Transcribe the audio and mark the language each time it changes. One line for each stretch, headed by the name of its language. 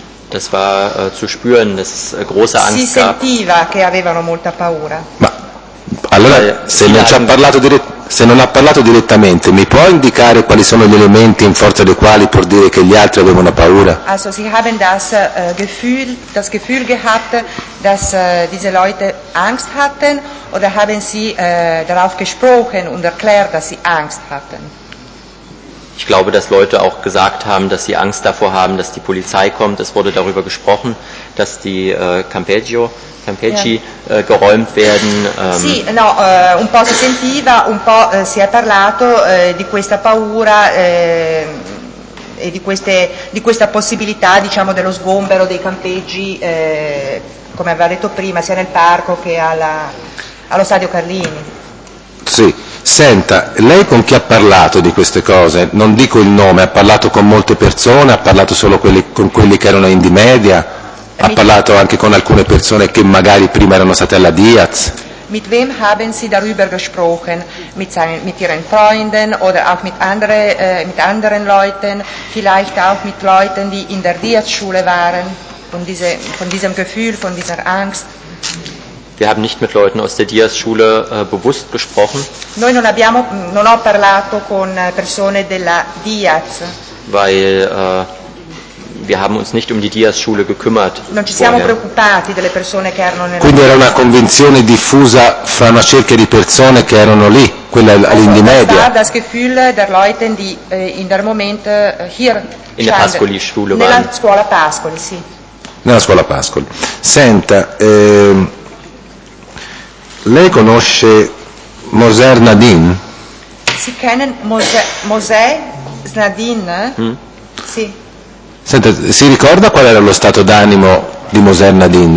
German: Das war zu spüren, dass große Angst gab.
Italian: Si sentiva che avevano molta paura. Ma allora, se non ci ha parlato direttamente. Se non ha parlato direttamente, mi può indicare quali sono gli elementi in forza dei quali può dire che gli altri avevano paura?
German: Also, sie haben das Gefühl gehabt, dass diese Leute Angst hatten, oder haben sie darauf gesprochen und erklärt, dass sie Angst hatten? Ich glaube, dass Leute auch gesagt haben, dass sie Angst davor haben, dass die Polizei kommt. Es wurde darüber gesprochen, dass die Campeggi geräumt werden.
Italian: Sì, no, un po' si sentiva, un po' si è parlato di questa paura e di questa possibilità, diciamo, dello sgombero dei campeggi come aveva detto prima, sia nel parco che allo stadio Carlini. Sì, senta, lei con chi ha parlato di queste cose? Non dico il nome, ha parlato con molte persone, ha parlato solo con quelli che erano in Dimedia, ha parlato anche con alcune persone che magari prima erano state alla Diaz?
German: Mit wem haben Sie darüber gesprochen? Mit Ihren Freunden oder auch mit anderen Leuten? Vielleicht auch mit Leuten, die in der Diaz-Schule waren? Von diesem Gefühl, von dieser Angst? Wir haben nicht mit Leuten aus der Diaz-Schule bewusst gesprochen.
Italian: Noi non abbiamo, non ho parlato con persone della Diaz.
German: Weil wir haben uns nicht um die Diaz-Schule gekümmert.
Italian: Non ci siamo preoccupati delle persone che erano nella. Quindi era una convinzione diffusa fra una cerchia di persone che erano lì, quella all'Indimedia.
German: Das Gefühl der Leuten, die in der Moment hier in der Pascoli-Schule waren.
Italian: Nella scuola Pascoli, sì. Nella scuola Pascoli. Senta, lei conosce Mosè Znadin?
German: Si kennen Mosè Znadin?
Italian: Sì. Senta, si ricorda qual era lo stato d'animo di Mosè Znadin?